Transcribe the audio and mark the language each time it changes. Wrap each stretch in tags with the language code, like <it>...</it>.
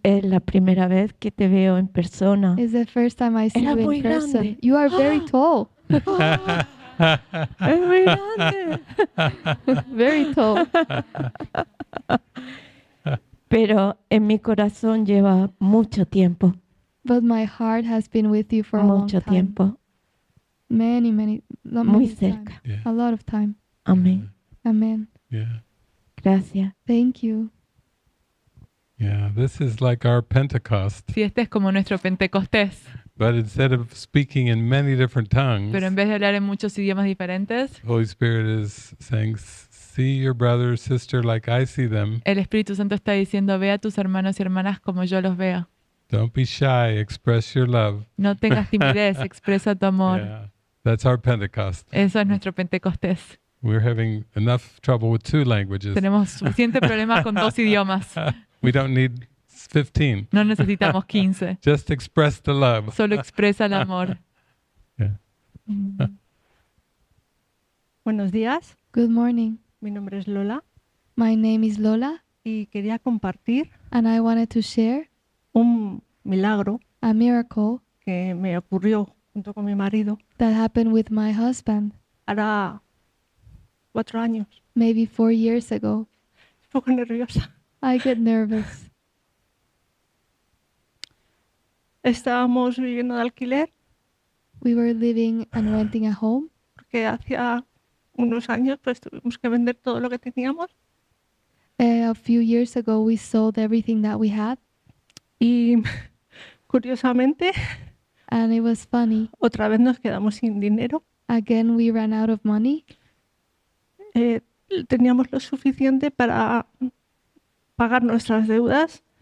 <es>Es la primera vez que te veo en persona.</es> <en>It's the first time I see you in person.</en> <es>Grande.</es> <en>You are very tall.</en> <es>Es muy grande.</es> <en>Very tall.</en> <es>Pero en mi corazón lleva mucho tiempo.</es> <en>But my heart has been with you for</en> <es>mucho</es> <en>a long time. Many, many, not</en> <es>muy</es> <en>many</en> <es>cerca.</es> <en>Time. Yeah. A lot of time.</en> <es>Amén. Amén.</es> <en>Yeah.</en> <es>Gracias.</es> <en>Thank you. Yeah, this is like our Pentecost.</en> <es>Sí, este es como nuestro Pentecostés.</es> <en>But instead of speaking in many different tongues,</en> <es>pero en vez de hablar en muchos idiomas diferentes,</es> <en>the Holy Spirit is saying, "See your brother or sister like I see them."</en> <es>El Espíritu Santo está diciendo, ve a tus hermanos y hermanas como yo los veo.</es> <en>Don't be shy. Express your love.</en> <es>No tengas timidez. Expresa tu amor.</es> <en>Yeah, that's our Pentecost.</en> <es>Eso es nuestro Pentecostés.</es> <en>Yeah. We're having enough trouble with two languages.</en> <es>Tenemos suficiente problema con dos idiomas.</es> <en>We don't need 15.</en> <es>No necesitamos 15.</es> <en>Just express the love.</en> <es>Solo expresa el amor.</es> <en>Yeah.</en> <es>Buenos días.</es> <en>Good morning.</en> <es>Mi nombre es Lola.</es> <en>My name is Lola.</en> <es>Y quería compartir.</es> <en>And I wanted to share.</en> <es>Un milagro.</es> <en>A miracle.</en> <es>Que me ocurrió junto con mi marido.</es> <en>That happened with my husband.</en> <es>Ahora... 4 años.</es> <en>Maybe 4 years ago.</en> <es>Un poco nerviosa.</es> <en>I get nervous.</en> <es>Estábamos viviendo de alquiler.</es> <en>We were living and renting a home.</en> <es>Porque hacía unos años pues tuvimos que vender todo lo que teníamos.</es> <en>A few years ago we sold everything that we had.</en> <es>Y curiosamente.</es> <en>And it was funny.</en> <es>Otra vez nos quedamos sin dinero.</es> <en>Again we ran out of money.</en> <es>Teníamos lo suficiente para pagar nuestras deudas.</es>